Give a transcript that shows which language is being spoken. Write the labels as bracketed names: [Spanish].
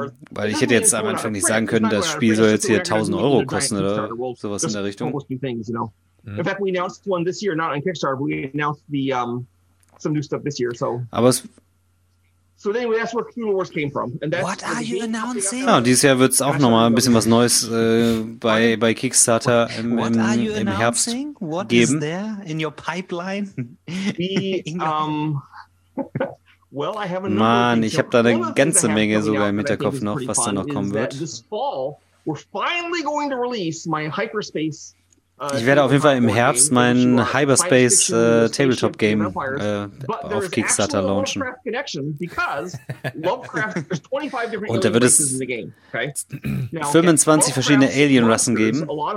[German] weil ich hätte jetzt am Anfang nicht sagen können, das Spiel soll jetzt hier 1000 Euro kosten oder sowas in der Richtung. Aber es. [English] So anyway, that's where Cthulhu Wars came from. And that's what are you announcing? [German] Ja, dieses Jahr wird es auch noch mal ein bisschen was Neues bei Kickstarter im Herbst [English] what [German] geben. [English] What is there in your pipeline? well, I have another [German] Mann, ich habe da eine ganze Menge sogar im Hinterkopf noch, was da noch kommen wird. [English] This fall, we're finally going to release my hyperspace. [German] Ich werde auf jeden Fall im Herbst mein Hyperspace Tabletop Game auf Kickstarter launchen. Und da wird es 25 verschiedene Alien-Rassen geben.